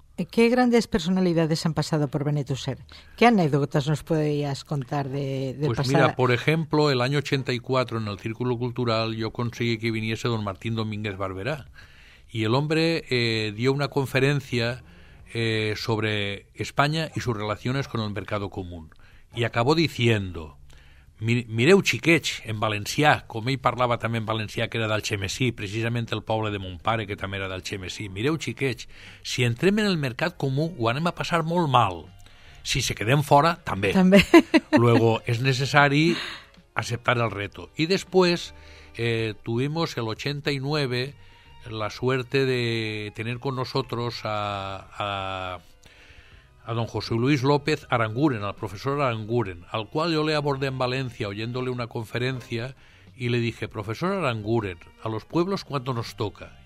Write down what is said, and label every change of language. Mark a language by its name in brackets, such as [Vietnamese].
[Spanish] ¿Qué grandes personalidades han pasado por Benetusser? ¿Qué anécdotas nos podrías contar de pasada? Pues mira, por ejemplo, el año 84 en el Círculo Cultural yo conseguí que viniese don Martín Domínguez Barberá. Y el hombre dio una conferencia sobre España y sus relaciones con el mercado común. Y acabó diciendo, [Catalan] mireu xiquets, en valencià, com ell parlava també en valencià, que era d'Alxemesí, precisament el poble de mon pare, que també era d'Alxemesí, mireu xiquets, si entrem en el mercat comú, ho anem a passar molt mal. Si se quedem fora, també. També. [Spanish] Luego, [Catalan] és necessari acceptar el reto. I després, [Spanish] tuvimos el 89 la suerte de tener con nosotros a don José Luis López Aranguren, al profesor Aranguren, al cual yo le abordé en Valencia oyéndole una conferencia y le dije, profesor Aranguren, a los pueblos cuando nos toca.